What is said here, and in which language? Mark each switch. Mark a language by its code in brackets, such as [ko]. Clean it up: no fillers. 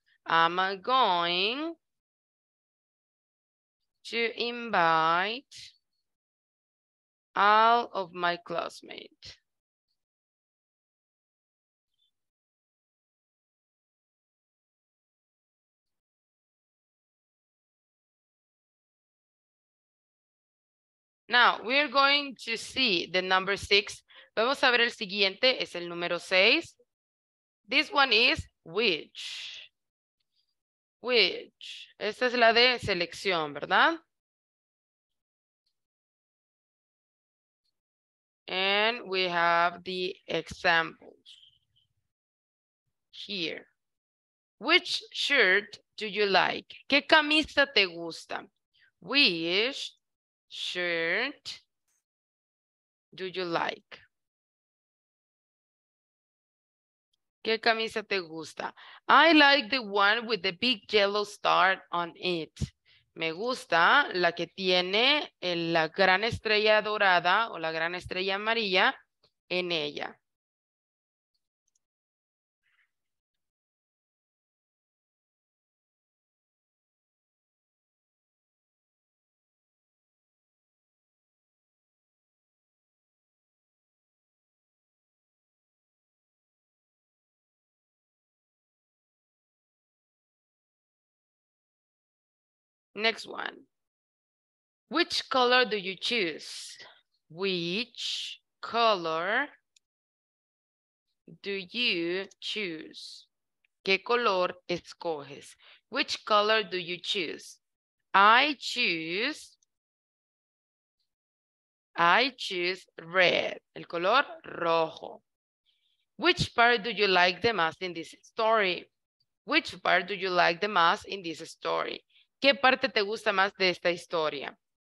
[en] I'm going to invite all of my classmates. Now, we are going to see the number six. [es] Vamos a ver el siguiente, es el número seis. [en] This one is which. Which. [es] Esta es la de selección, ¿verdad? [en] And we have the examples here. Which shirt do you like? [es] ¿Qué camisa te gusta? [en] Which shirt do you like? [es] ¿Qué camisa te gusta? [en] I like the one with the big yellow star on it. [es] Me gusta la que tiene la gran estrella dorada o la gran estrella amarilla en ella. [en] Next one. Which color do you choose? Which color do you choose? [es] ¿Qué color escoges? [en] Which color do you choose? I choose red, [es] el color rojo. [en] Which part do you like the most in this story? Which part do you like the most in this story? [es] ¿Qué parte te gusta más de esta historia?